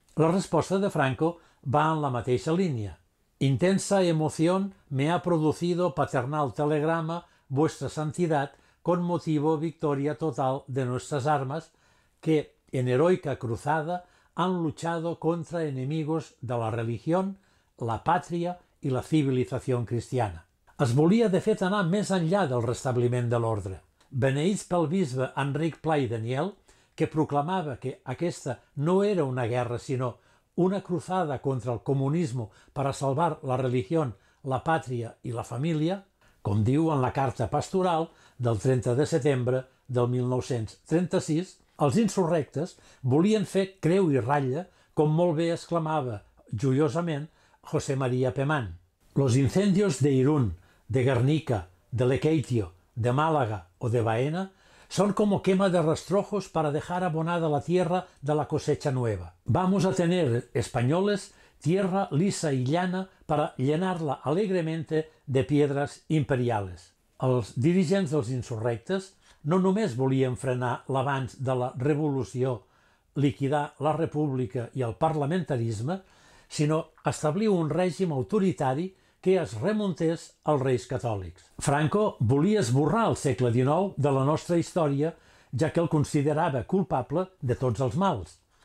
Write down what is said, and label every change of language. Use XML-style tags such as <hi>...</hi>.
<es>La respuesta de Franco</es> <ca>va en la mateixa línea.</ca> <es>Intensa emoción me ha producido paternal telegrama vuestra santidad con motivo victoria total de nuestras armas que, en heroica cruzada, han luchado contra enemigos de la religión, la patria y la civilización cristiana.</es> <ca>Es volia, de fet, anar més enllà del restabliment de l'ordre. Beneïts pel bisbe Enric Pla i Daniel, que proclamava que aquesta no era una guerra, sinó</ca> <es>una cruzada contra el comunismo para salvar la religión, la patria y la familia,</es> <ca>com diu en la carta pastoral del 30 de setembre del 1936, els insurrectes volien fer creu i ratlla, com molt bé exclamava joiosament José María Pemán.</ca> <es>Los incendios de Irún, de Guernica, de Lequeitio, de Málaga o de Baena son como quema de rastrojos para dejar abonada la tierra de la cosecha nueva. Vamos a tener, españoles, tierra lisa y llana para llenarla alegremente de piedras imperiales.</es> <ca>Els dirigents dels insurrectes no només volien frenar l'avanç de la revolució, liquidar la república i el parlamentarisme, sinó establir un règim autoritari que es remuntés als reis catòlics. Franco volia esborrar el segle XIX de la nostra història, ja que el considerava culpable de tots els mals.</ca>